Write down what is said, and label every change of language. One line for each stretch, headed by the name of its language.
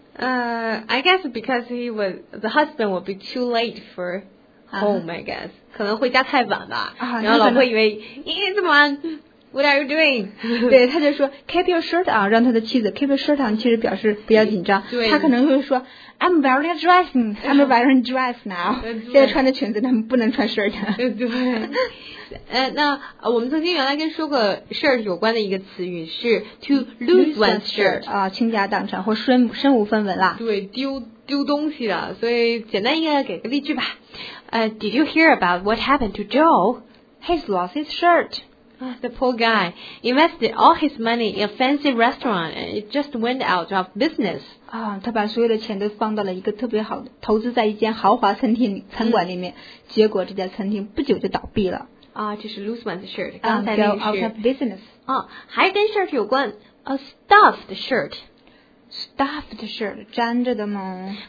English: I guess because the husband will be too late for home. I guess
Chinese: 可能回家太晚吧。然后老婆以为你怎么玩？
English: What are you doing?
Chinese: 对，他就说
English: keep your shirt on，
Chinese: 让他的妻子 keep your shirt on， 其实表示不要紧张。对，他可能会说
English: I'm wearing a dress now.
Chinese: 现在穿着裙子，他们不能穿 shirt。对。那我们曾经原来跟说过 shirt 有关的一个词语是
English: to lose one's shirt
Chinese: 啊，倾家荡产或身无分文啦。对，丢东西的，所以简单一个给个例句吧。
English: Did you hear about what happened to Joe? He's lost his shirt. The poor guy invested all his money in a fancy restaurant and it just went out of business.
Chinese: 他把所有的钱都放到了一个特别好的投资在一间豪华餐馆里面，结果这家餐厅不久就倒闭了。这是
English: lose one's shirt.
Chinese: 刚才
English: go out of business.
Chinese: 还跟
English: shirt
Chinese: 有关
English: a stuffed shirt.
Chinese: Stuffed shirt 粘着的吗